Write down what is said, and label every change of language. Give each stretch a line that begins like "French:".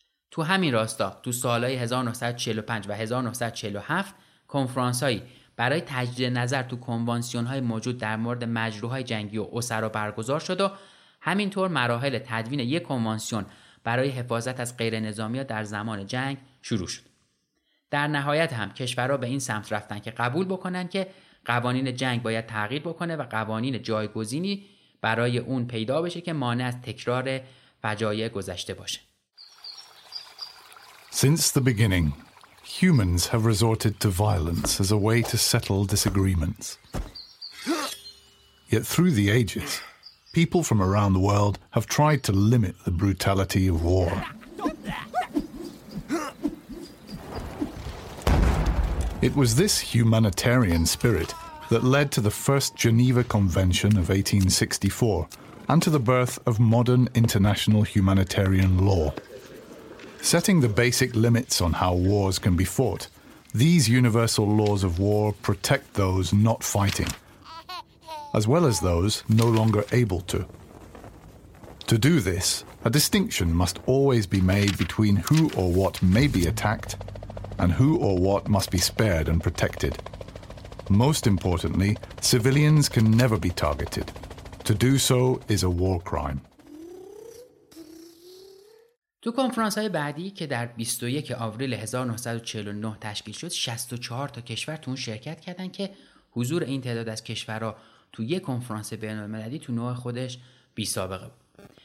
Persian: تو همین راستا تو سال‌های 1945 و 1947 کنفرانس‌هایی برای تجدید نظر تو کنوانسیون‌های موجود در مورد مجروح‌های جنگی و اسرا برگزار شد و همینطور مراحل تدوین یک کنوانسیون برای حفاظت از غیرنظامی‌ها در زمان جنگ شروع شد. در نهایت هم کشورها به این سمت رفتن که قبول بکنن که قوانین جنگ باید تغییر بکنه و قوانین جایگزینی برای اون پیدا بشه که مانع از تکرار فجایع گذشته باشه.
English: Since the beginning, humans have resorted to violence as a way to settle disagreements. Yet through the ages, people from around the world have tried to limit the brutality of war. It was this humanitarian spirit that led to the first Geneva Convention of 1864 and to the birth of modern international humanitarian law. Setting the basic limits on how wars can be fought, these universal laws of war protect those not fighting, as well as those no longer able to. To do this, a distinction must always be made between who or what may be attacked and who or what must be spared and protected. Most importantly, civilians can never be targeted. To do so is a war crime.
Persian: تو کنفرانس‌های بعدی که در 21 آوریل 1949 تشکیل شد، 64 تا کشور تو اون شرکت کردن که حضور این تعداد از کشورها تو یک کنفرانس بین‌المللی تو نوع خودش بی سابقه بود.